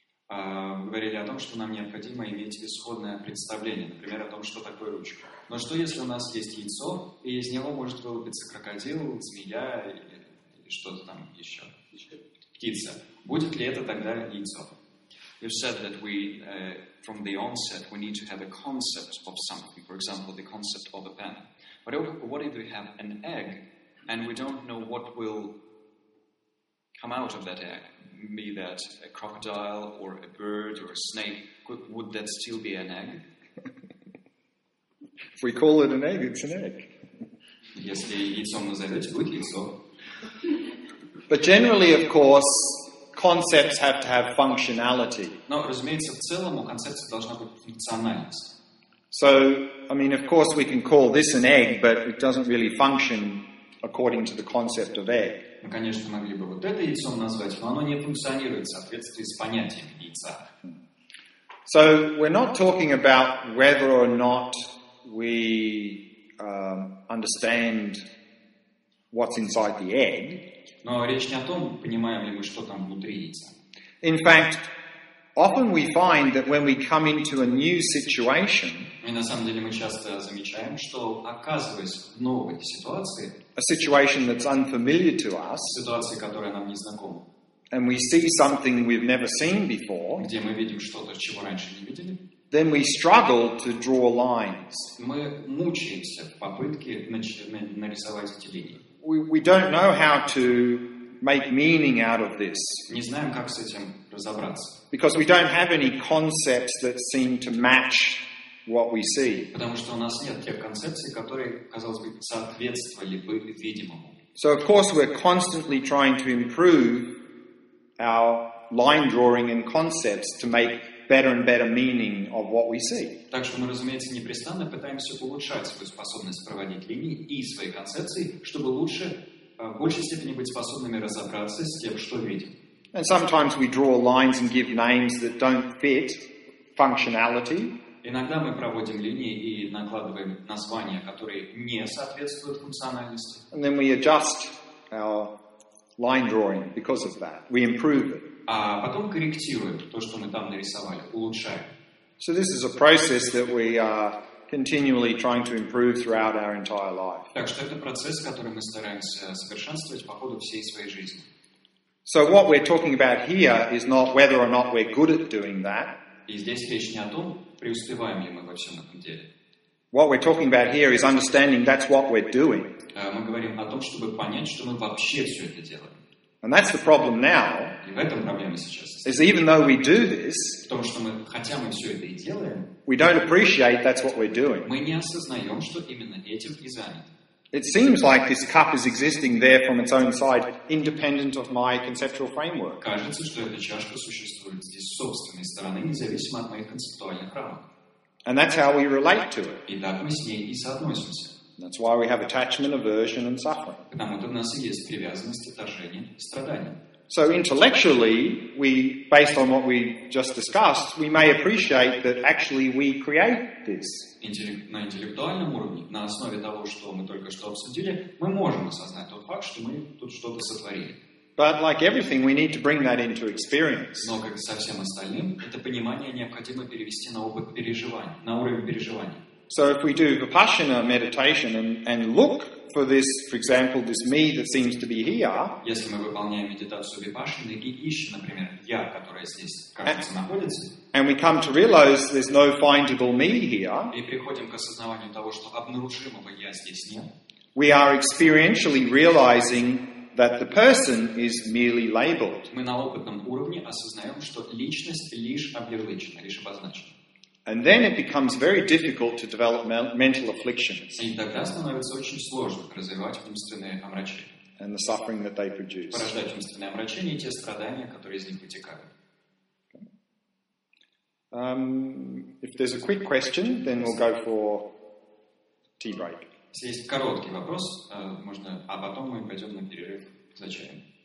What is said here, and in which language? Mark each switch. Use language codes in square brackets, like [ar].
[ru] Говорили о том, что нам необходимо иметь исходное представление, например, о том, что такое ручка. Но что, если у нас есть яйцо, и из него может вылупиться крокодил, змея или что-то там еще? Птица. Будет ли это тогда яйцо? [en] You said that we, from the onset, we need to have a concept of something. For example, the concept of a pen. But what if we have an egg, and we don't know what will come out of that egg, be that a crocodile or a bird or a snake, would that still be an egg? If we call it an egg, it's an egg. [ru] Если яйцом назовете, будет яйцо. [en] But generally, of course, concepts have to have functionality. [ru] Но, разумеется, в целом у концепции должна быть функциональность. [en] So, I mean, of course, we can call this an egg, but it doesn't really function according to the concept of egg. [ru] Мы, конечно, могли бы вот это яйцом назвать, но оно не функционирует в соответствии с понятием яйца. [en] So we're not talking about whether or not we understand what's inside the egg. [ru] Но речь не о том, понимаем ли мы, что там внутри яйца. [en] In fact, often we find that when we come into a new situation, [ru] и на самом деле мы часто замечаем, что оказываясь в новой ситуации, [en] a situation that's unfamiliar to us, [ru] ситуация, которая нам не знакома, [en] and we see something we've never seen before, [ru] где мы видим что-то, чего раньше не видели, [en] then we struggle to draw lines. [ru] Мы мучаемся в попытке нарисовать эти линии. [en] We don't know how to make meaning out of this. [ru] Не знаем, как с этим разобраться. [en] Because we don't have any concepts that seem to match what we see. [ru] Потому что у нас нет тех концепций, которые, казалось бы, соответствовали бы видимому. [en] So of course we're constantly trying to improve our line drawing and concepts to make better and better meaning of what we see. [ru] Так что мы, разумеется, непрестанно пытаемся улучшать свою способность проводить линии и свои концепции, чтобы лучше, в большей степени быть способными разобраться с тем, что видим. [en] And sometimes we draw lines and give names that don't fit functionality. [ru] Иногда мы проводим линии и накладываем названия, которые не соответствуют функциональности. [en] And then we adjust our line drawing because of that. We improve it. [ru] А потом корректируем то, что мы там нарисовали, улучшаем. [en] So this is a process that we are continually trying to improve throughout our entire life. [ru] Так что это процесс, который мы стараемся совершенствовать по ходу всей своей жизни. [en] So what we're talking about here is not whether or not we're good at doing that. [ru] И здесь речь не о том, преуспеваем ли мы во всем этом деле. [en] What we're talking about here is understanding that's what we're doing. [ru] Мы говорим о том, чтобы понять, что мы вообще все это делаем. [en] And that's the problem now. [ru] И в этом проблема сейчас. [en] Is even though we do this, [ru] в том, что мы, хотя мы все это и делаем, [en] we don't appreciate that's what we're doing. [ru] Мы не осознаем, что именно этим и заняты. [en] It seems like this cup is existing there from its own side, independent of my conceptual framework. [ru] Кажется, что эта чашка существует здесь с собственной стороны, независимо от моих концептуальных рамок. [en] And that's how we relate to it. [ru] И так мы с ней и соотносимся. [en] That's why we have attachment, aversion, and suffering. [ru] Потому что у нас есть привязанность, отторжение, страдание. [en] So intellectually, we, based on what we just discussed, we may appreciate that actually we create this. [ru] На интеллектуальном уровне, на основе того, что мы только что обсудили, мы можем осознать тот факт, что мы тут что-то сотворили. [en] But like everything, we need to bring that into experience. [ru] Но как со всем остальным, это понимание необходимо перевести на опыт переживания, на уровень переживания. [en] So if we do Vipassana meditation and look for this, for example, this me that seems to be here. [ru] Если мы выполняем медитацию Випассаны и ищем, например, я, которое здесь, кажется, находится. [en] And we come to realize there's no findable me here. [ru] И приходим к осознаванию того, что обнаружимого я здесь нет. [en] We are experientially realizing that the person is merely labeled. [ru] Мы на опытном уровне осознаем, что личность лишь обозначена, лишь обозначена. [en] And then it becomes very difficult to develop mental afflictions. [ru] И тогда становится очень сложно развивать умственные омрачения. [en] And the suffering that they produce. [ru] Порождать умственные омрачения и те страдания, которые из них вытекают. [en] If there's a quick question, then we'll go for tea break. [ru] Если есть короткий вопрос, можно, а потом мы пойдем на перерыв за чаем.